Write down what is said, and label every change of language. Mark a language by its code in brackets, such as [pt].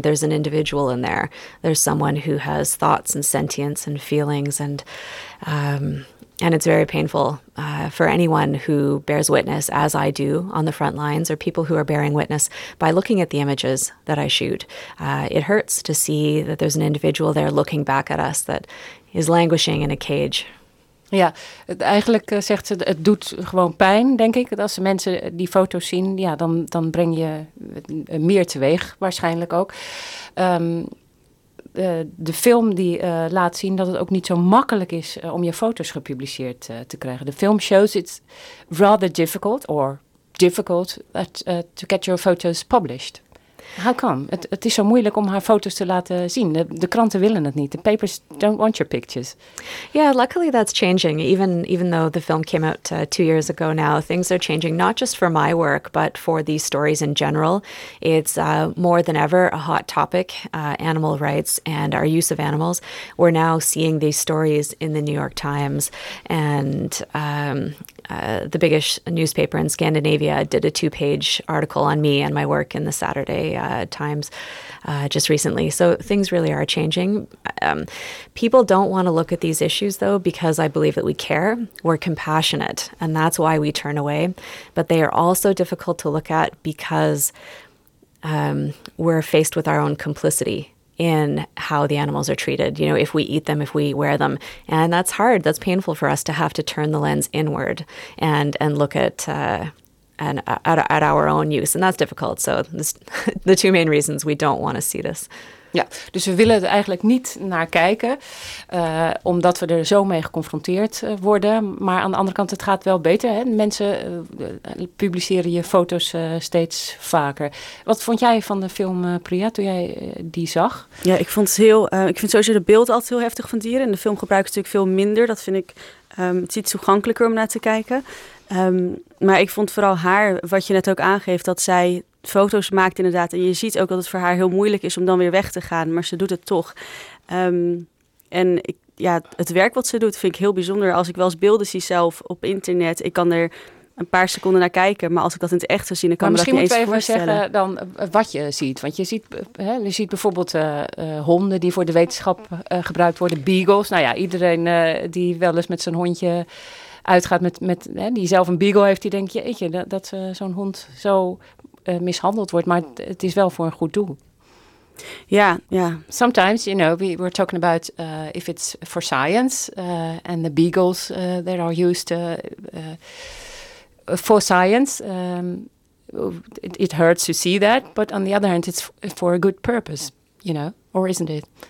[en] There's an individual in there. There's someone who has thoughts and sentience and feelings and it's very painful for anyone who bears witness, as I do on the front lines, or people who are bearing witness by looking at the images that I shoot. It hurts to see that there's an individual there looking back at us that is languishing in a cage. [nl] Ja, eigenlijk zegt ze, het doet gewoon pijn, denk ik. Als mensen die foto's zien, ja, dan breng je meer teweeg, waarschijnlijk ook. De film die laat zien dat het ook niet zo makkelijk is om je foto's gepubliceerd te krijgen. [en] The film shows it's rather difficult to get your photos published. How come? [nl] Het is zo moeilijk om haar foto's te laten zien. De kranten willen het niet. [en] The papers don't want your pictures. Yeah, luckily that's changing. Even though the film came out 2 years ago now, things are changing, not just for my work, but for these stories in general. It's more than ever a hot topic, animal rights and our use of animals. We're now seeing these stories in the New York Times. And the biggest newspaper in Scandinavia did a 2-page article on me and my work in the Saturday Times just recently. So things really are changing. People don't want to look at these issues, though, because I believe that we care. We're compassionate, and that's why we turn away. But they are also difficult to look at because we're faced with our own complicity in how the animals are treated, you know, if we eat them, if we wear them. And that's hard. That's painful for us to have to turn the lens inward and look at at our own use. And that's difficult. So this, the two main reasons we don't want to see this. [nl] Ja, dus we willen er eigenlijk niet naar kijken, omdat we er zo mee geconfronteerd worden. Maar aan de andere kant, het gaat wel beter. Hè? Mensen publiceren je foto's steeds vaker. Wat vond jij van de film Priya, toen jij die zag? Ja, ik vond ik vind sowieso de beeld altijd heel heftig van dieren. En de film gebruikt natuurlijk veel minder. Dat vind ik iets toegankelijker om naar te kijken. Maar ik vond vooral haar, wat je net ook aangeeft, dat zij foto's maakt inderdaad. En je ziet ook dat het voor haar heel moeilijk is om dan weer weg te gaan. Maar ze doet het toch. En ik, ja, het werk wat ze doet vind ik heel bijzonder. Als ik wel eens beelden zie zelf op internet, ik kan er een paar seconden naar kijken, maar als ik dat in het echt zou zien, dan kan maar me dat niet eens voorstellen. Misschien moeten we even zeggen dan wat je ziet. Want je ziet, hè, je ziet bijvoorbeeld honden die voor de wetenschap gebruikt worden, beagles. Nou ja, iedereen die wel eens met zijn hondje uitgaat, met die zelf een beagle heeft, die denkt, jeetje, dat zo'n hond zo mishandeld wordt. Maar het is wel voor een goed doel. Ja, ja. [en] Sometimes, you know, we're talking about if it's for science and the beagles that are used for science, it hurts to see that, but on the other hand, it's for a good purpose, you know, or isn't it?